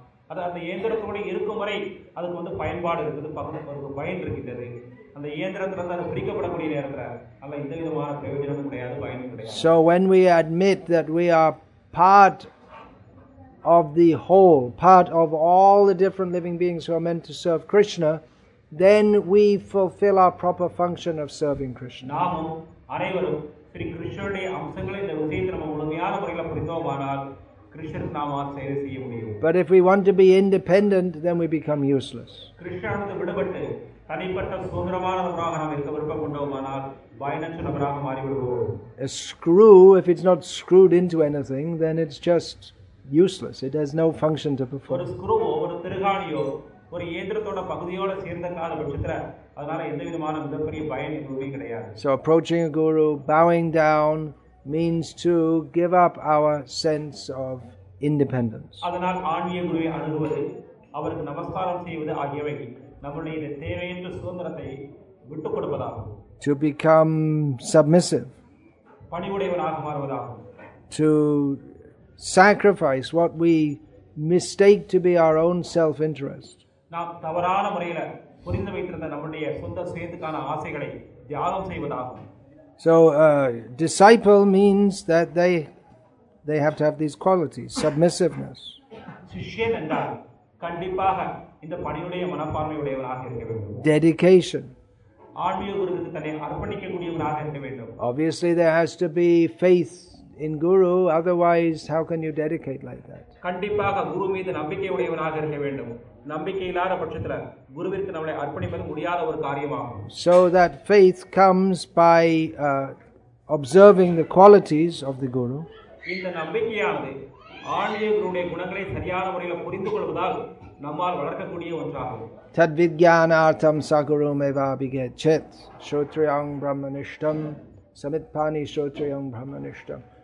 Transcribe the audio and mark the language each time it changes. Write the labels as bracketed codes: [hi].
[ta] அது அந்த இயந்திரத்தோடு இருக்கும் வரை அதுக்கு வந்து பயன்பாடு இருக்குது, பயன் இருக்கின்றது. அந்த இயந்திரத்துல இருந்து அது பிரிக்கப்படக்கூடிய நேரத்துல அல்ல இந்த விதமான பிரயோஜனமும் கிடையாது பயனும் கிடையாது. [en] So when we admit that we are part of the whole, part of all the different living beings who are meant to serve Krishna, then we fulfill our proper function of serving Krishna. [ta] நாமும் அனைவரும் ஸ்ரீ கிருஷ்ணருடைய அம்சங்களை இந்த விஷயத்திலும் முழுமையான முறையில் புரிந்தோமானால் கிருஷ்ணருக்கு நாம் சேவை செய்ய முடியும். [en] But if we want to be independent, then we become useless. [ta] கிருஷ்ணருக்கு விடுபட்டு தனிப்பட்ட சுதந்திரமானவராக நாம் இருக்க விரும்பப்படுவோமானால் பயனற்ற நபராக மாறிவிடுவோம். [en] A screw, if it's not screwed into anything, then it's just useless. It has no function to perform. [ta] ஒரு ஸ்க்ரூ ஒரு திருகாணியோ ஒரு இயந்திரத்தோட பகுதியோட சேர்ந்த கால பட்சத்துல அதனால எந்த விதமான மிகப்பெரிய பயன் எதுவுமே கிடையாது. [en] So approaching a guru, bowing down, means to give up our sense of independence. [ta] அதனால் ஆன்மீக குருவை அணுகுவது அவருக்கு நமஸ்காரம் செய்வது ஆகியவை நம்முடைய தேவையற்ற சுதந்திரத்தை விட்டு கொடுப்பதாகும். [en] To become submissive. [ta] பணிவுடையவராக மாறுவதாகும். [en] To sacrifice what we mistake to be our own self interest. [ta] நாம் தவறான முறையில் புரிந்து வைத்திருந்த நம்முடைய சொந்த சுயத்துக்கான ஆசைகளை தியாகம் செய்வதாகும். [en] So disciple means that they have to have these qualities, submissiveness. [ta] சுஷ்யன் என்றால் கண்டிப்பாக இந்த பணியுடைய மனப்பான்மை உடையவராக இருக்க வேண்டும். [en] Dedication. [ta] ஆன்மீக குருவுக்கு தன்னை அர்ப்பணிக்க கூடியவராக இருக்க வேண்டும். [en] Obviously there has to be faith in guru, otherwise how can you dedicate like that? [ta] கண்டிப்பாக குரு மீது நம்பிக்கை உடையவராக இருக்க வேண்டும். நம்பிக்கை இல்லாத பட்சத்தில் குருவிற்கு நம்மளை அர்ப்பணிப்பது முடியாத ஒரு காரியமாகும். [en] So that faith comes by observing the qualities of the guru. [ta] இந்த நம்பிக்கையானது ஆன்மீக குருவின் குணங்களை சரியான முறையில் புரிந்துகொள்வதால் நம்மால் வளர்க்கக்கூடிய ஒன்றாகும். [sa] தத் விஜயானார்த்தம் சகுருமேவ அபிகேச்சத் ஸ்ரோத்ரியாங் பிரம்மனிஷ்டம் Samitpani Shrotriyam Brahmanishtam.